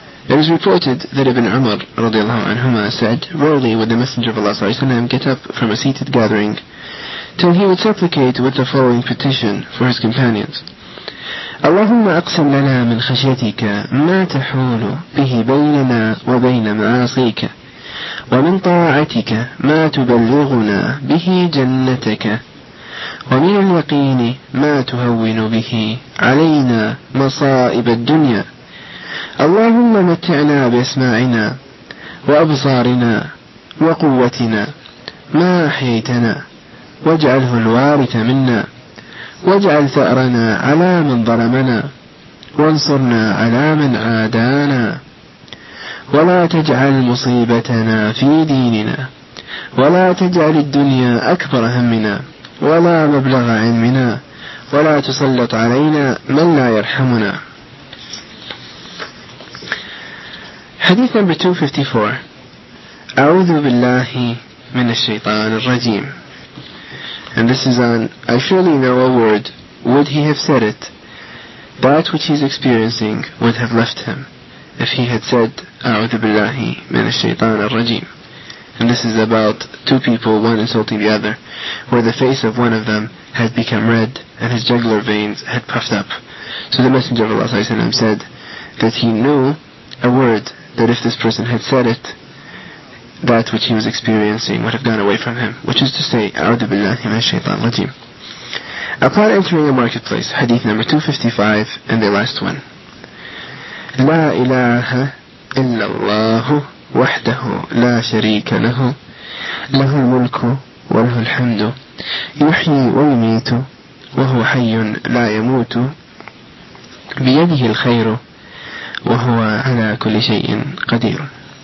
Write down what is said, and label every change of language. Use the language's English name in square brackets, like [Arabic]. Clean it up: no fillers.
[English] It is reported that Ibn Umar [Arabic] رضي الله عنهما [English] said, rarely would the Messenger of Allah [Arabic] صلى الله عليه وسلم [English] get up from a seated gathering till he would supplicate with the following petition for his companions. [Arabic] اللهم أقسم لنا من خشيتك ما تحول به بيننا وبين معاصيك ومن طاعتك ما تبلغنا به جنتك ومن اليقين ما تهون به علينا مصائب الدنيا. اللهم متعنا بأسماعنا وأبصارنا وقوتنا ما أحييتنا واجعله الوارث منا واجعل ثأرنا على من ظلمنا وانصرنا على من عادانا ولا تجعل مصيبتنا في ديننا ولا تجعل الدنيا أكبر همنا ولا مبلغ علمنا ولا تسلط علينا من لا يرحمنا. [English] Hadith number 254. [Arabic] أعوذ بالله من الشيطان الرجيم. [English] And this is on, I surely know a word, would he have said it, that which he is experiencing would have left him, if he had said, [Arabic] أعوذ بالله من الشيطان الرجيم. [English] And this is about two people, one insulting the other, where the face of one of them had become red, and his jugular veins had puffed up. So the Messenger of Allah said that he knew a word, that if this person had said it, that which he was experiencing would have gone away from him, which is to say, [Arabic] أعوذ بالله من الشيطان الرجيم. [English] Upon entering a marketplace, Hadith number 255, and the last one. [Arabic] لا إله إلا الله وحده لا شريك له له الملك وله الحمد يحيي ويميت وهو حي لا يموت بيده الخير وهو على كل شيء قدير.